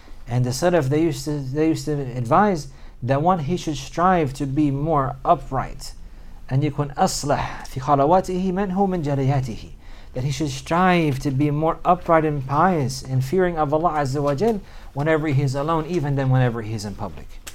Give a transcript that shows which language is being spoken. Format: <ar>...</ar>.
<en>And the Salaf, they used to advise that one, he should strive to be more upright.</en> <ar>And يكون أصلح في خلواته منه من جريته.</ar> <en>That he should strive to be more upright and pious and fearing of Allah Azza wa Jalla whenever he's alone, even than whenever he's in public.</en>